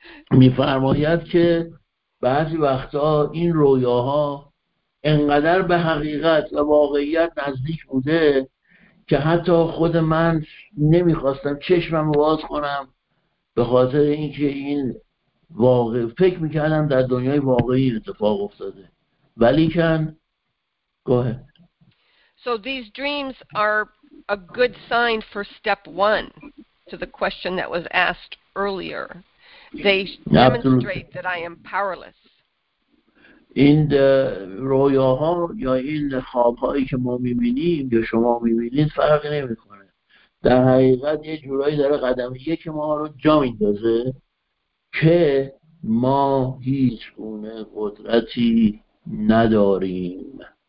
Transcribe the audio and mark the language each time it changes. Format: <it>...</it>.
<fa>می‌فرماید که بعضی وقتا این رویاها انقدر به حقیقت و واقعیت نزدیک بوده که حتی خود من نمی‌خواستم چشمم رو باز کنم به خاطر اینکه این واقع فکر می‌کردم در دنیای واقعی اتفاق افتاده. ولیکن</fa> <en>go ahead. So these dreams are a good sign for step 1 to the question that was asked earlier. They demonstrate that I am powerless.</en> <fa>این رویاها یا این خوابهایی که ما می‌بینیم یا شما می‌بینید فرقی نمی‌کنه. در حقیقت یه جورایی داره قدم یک ما رو جا می‌ندازه که ما هیچ گونه قدرتی نداریم.</fa>